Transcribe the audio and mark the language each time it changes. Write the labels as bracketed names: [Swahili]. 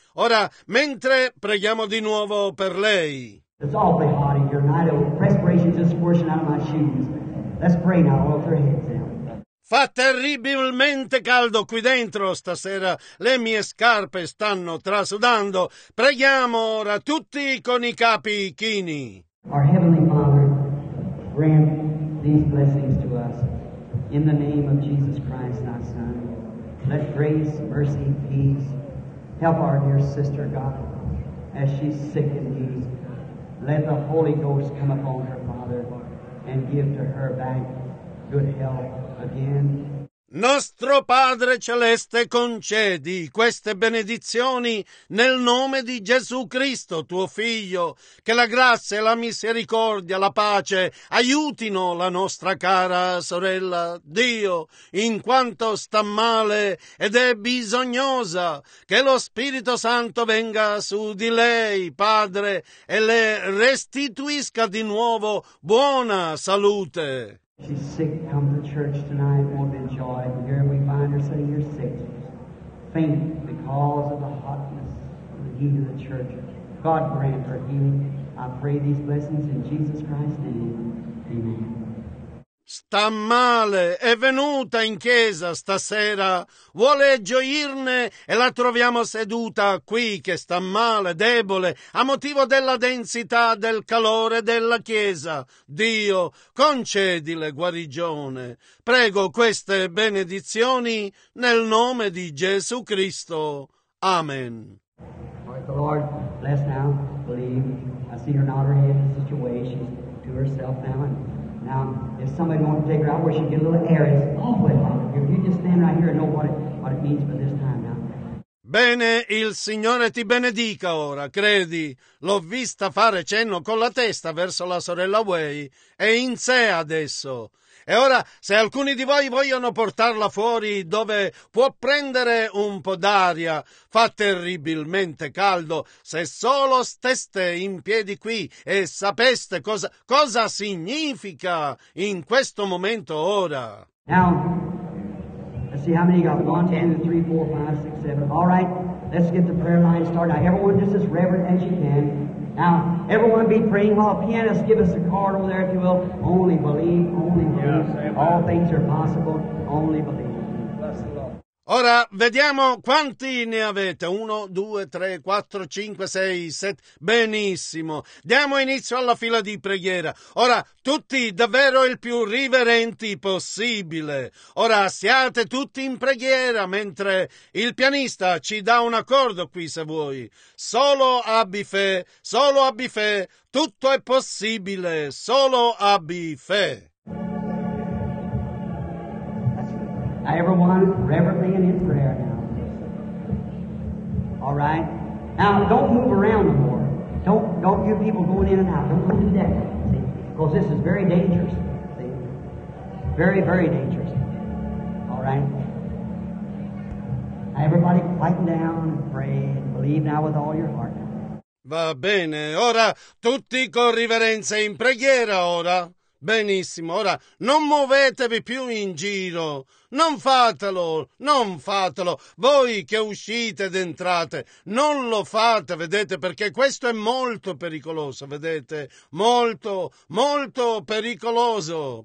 [Italian] Ora, mentre preghiamo di nuovo per lei. [English] It's awfully hot in here tonight. The perspiration just squirting out of my shoes. Let's pray now. All three heads down. [Italian] Fa terribilmente caldo qui dentro stasera. Le mie scarpe stanno trasudando. Preghiamo ora tutti con i capi chini. [English] Our Heavenly Father, grant these blessings to us in the name of Jesus Christ, our Son. Let grace, mercy, peace help our dear sister, God, as she's sick and needy. Let the Holy Ghost come upon her, Father, and give to her back good health again. [Italian] Nostro Padre Celeste, concedi queste benedizioni nel nome di Gesù Cristo, tuo Figlio, che la grazia, la misericordia, la pace aiutino la nostra cara sorella. Dio, in quanto sta male ed è bisognosa, che lo Spirito Santo venga su di lei, Padre, e le restituisca di nuovo buona salute. [English] She's sick, come to church tonight, won't enjoy. And here we find her sitting here sick, faint because of the hotness and the heat of the church. God grant her healing. I pray these blessings in Jesus Christ's name. Amen. [Italian] Sta male, è venuta in chiesa stasera, vuole gioirne e la troviamo seduta qui che sta male, debole, a motivo della densità del calore della chiesa. Dio, concedile guarigione. Prego queste benedizioni nel nome di Gesù Cristo. Amen. [English] The Lord bless now, believe. I see her not her head in situation to herself now. Now, if somebody wants to take her out where she can get a little air, it's awfully hot. If you just stand right here and know what it means for this time now. [Italian] Bene, il Signore ti benedica ora, credi. L'ho vista fare cenno con la testa verso la sorella Wei. È in sé adesso. E ora, se alcuni di voi vogliono portarla fuori dove può prendere un po' d'aria, fa terribilmente caldo. Se solo steste in piedi qui e sapeste cosa significa in questo momento ora. [English] Now. See how many got 1, 2, 3, 4, 5, 6, 7. All right, let's get the prayer line started. Now, everyone just as reverent as you can. Now, everyone be praying while pianists give us a card over there, if you will. Only believe, only believe. Yes, all things are possible, only believe. [Italian] Ora vediamo quanti ne avete. 1, 2, 3, 4, 5, 6, 7. Benissimo. Diamo inizio alla fila di preghiera. Ora tutti davvero il più riverenti possibile. Ora siate tutti in preghiera mentre il pianista ci dà un accordo qui se vuoi. Solo abbi fe, tutto è possibile, solo abbi fe. [English] Everyone reverently and in prayer now. All right. Now, don't move around anymore. Don't you people going in and out. Don't do that. See? Because this is very dangerous. See? Very, very dangerous. All right. Everybody quieten down and pray and believe now with all your heart. [Italian] Va bene. Ora, tutti con riverenza in preghiera ora. Benissimo, ora non muovetevi più in giro, non fatelo, non fatelo, voi che uscite ed entrate, non lo fate, vedete, perché questo è molto pericoloso, vedete, molto, molto pericoloso.